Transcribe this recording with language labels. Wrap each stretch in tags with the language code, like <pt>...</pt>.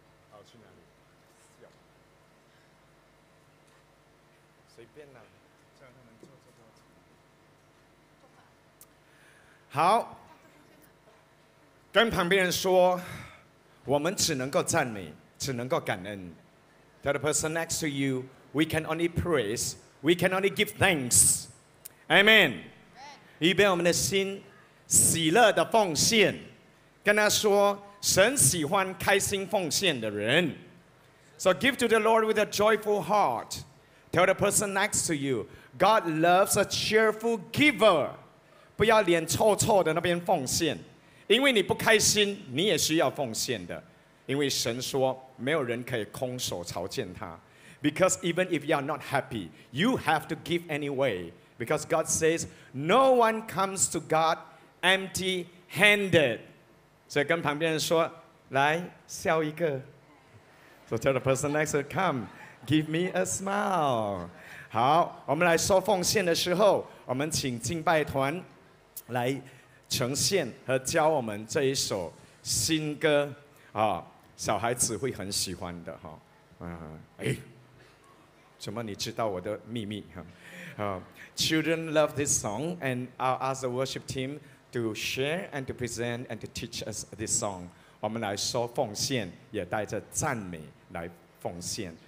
<zh>好，去哪里？随便啦，这样他们坐坐坐。好，跟旁边人说，我们只能够赞美，只能够感恩。</zh> <en>Tell the person next to you, we can only praise, we can only give thanks.</en> <zh>Amen。 预备我们的心。喜乐的奉献，跟他说，神喜欢开心奉献的人。</zh> <en>So give to the Lord with a joyful heart. Tell the person next to you, God loves a cheerful giver.</en> <zh>不要脸臭臭的那边奉献，因为你不开心，你也需要奉献的。因为神说，没有人可以空手朝见他。</zh> <en>Because even if you are not happy, you have to give anyway. Because God says, no one comes to God. Empty-handed.</en> <zh>所以跟旁边人说，来笑一个。</zh> <en>So tell the person next to come, give me a smile.</en> <zh>好，我们来收奉献的时候，我们请敬拜团来呈现和教我们这一首新歌啊，小孩子会很喜欢的哈。怎么你知道我的秘密哈？</zh> <en>Children love this song, and I'll ask the worship team to share and to present and to teach us this song.</en> <zh>我们来说奉献，也带着赞美来奉献。</zh>